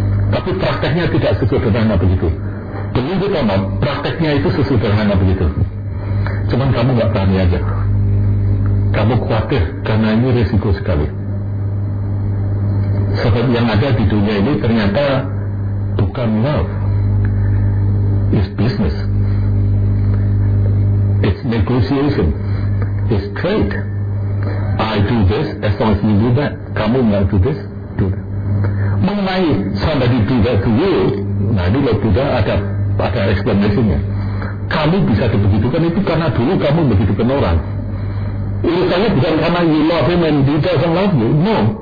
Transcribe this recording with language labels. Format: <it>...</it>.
<id>Tapi prakteknya tidak sesederhana begitu. Begitu ngomong, prakteknya itu sesederhana begitu. Cuman kamu gak berani aja. Kamu khawatir, karena ini risiko sekali. Sebab yang ada di dunia ini ternyata bukan love.</id> <en>It's business. It's negotiation. It's trade. I do this, as long as you do that,</en> <id>kamu nggak</id> <en>do this, do that.</en> <id>Mengenai</id> <en>somebody do that to you,</en> <id>nah ini loh sudah ada explanation-nya. Kamu bisa dibegitukan itu karena dulu kamu begitukan orang. Urusannya bukan karena</id> <en>you love him and he doesn't love you, no.</en>